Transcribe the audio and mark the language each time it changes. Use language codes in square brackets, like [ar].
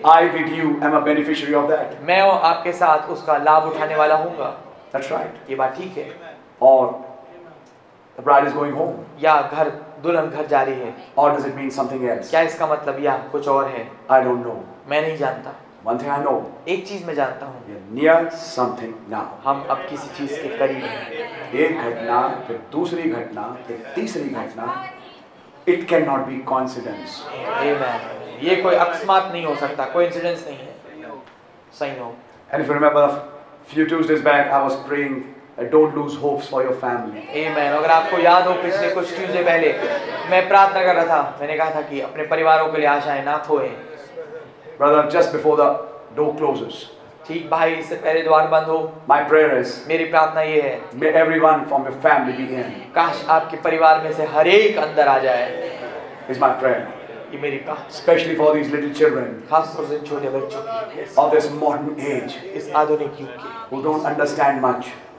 [en] I with you am a beneficiary of that. [hi] मैं और आपके साथ उसका लाभ उठाने वाला हूँगा. [en] That's right. [hi] ये बात ठीक है. [en] Or the bride is going home. [hi] या घर दुल्हन घर जा रही है. [en] Or does it mean something else? [hi] क्या इसका मतलब या कुछ और है? [en] I don't know. [hi] मैं नहीं जानता. [en] One thing I know. [hi] एक चीज़ मैं जानता हूँ. [en] We are near something now. [hi] हम अब किसी चीज़ के करीब हैं. एक घटना फिर दूसरी घटना फिर तीसरी घटना. [en] It can not be coincidence. [hi] आमीन. ये कोई अकस्मात नहीं हो सकता. कोइंसिडेंस नहीं है. सही हो. [en] And if you remember few Tuesdays back I was praying And don't lose hopes for your family. Amen. [hi] अगर आपको याद हो पिछले कुछ ट्यूसडे पहले मैं प्रार्थना कर रहा था, मैंने कहा था कि अपने परिवारों के लिए आशाएं ना खोए. [en] Brother, just before the door closes. [hi] ठीक भाई, इससे पहले द्वार बंद हो. [en] My prayer is. [hi] मेरी प्रार्थना ये है. [en] May everyone from your family be in. [hi] काश आपके परिवार में से हर एक अंदर आ जाए. [en] Is my prayer. [hi] ये मेरी प्रार्थना. [en] Especially for these little children. [hi] खासतौर से छोटे बच्चों. [en] Yes. Of this modern age. [hi] इस आधुनिक युग के. [en] Who don't understand much.